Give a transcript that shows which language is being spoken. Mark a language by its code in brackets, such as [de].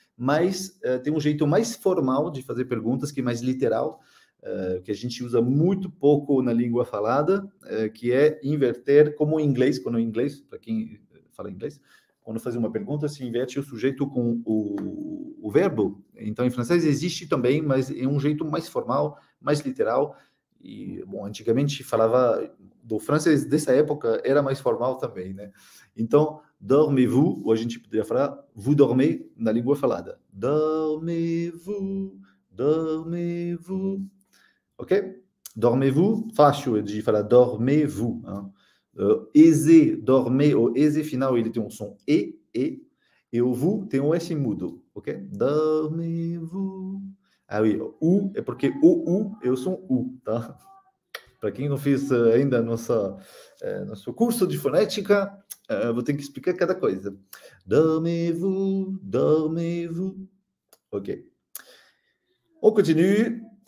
[pt] Mas tem um jeito mais formal de fazer perguntas, que é mais literal, que a gente usa muito pouco na língua falada, que é inverter, como em inglês, quando em inglês, para quem fala inglês, quando faz uma pergunta, se inverte o sujeito com o verbo. Então, em francês existe também, mas é um jeito mais formal, mais literal. E, bom, antigamente falava do francês dessa época, era mais formal também, né? Então, [fr] dormez-vous, [pt] ou a gente poderia falar, [fr] vous dormez [pt] na língua falada. [fr] Dormez-vous, dormez-vous. Ok? Dormez-vous, [pt] fácil de falar, [fr] dormez-vous. [pt] Eze, dormez, o eze final, ele tem um som e. E o vous tem um S mudo, ok? [fr] Dormez-vous. Ah, oui, [pt] o U é porque o U é o som U, tá? Para quem não fez ainda nosso curso de fonética, vou ter que explicar cada coisa. [fr] Dormez-vous, dormez-vous. Ok. On continue.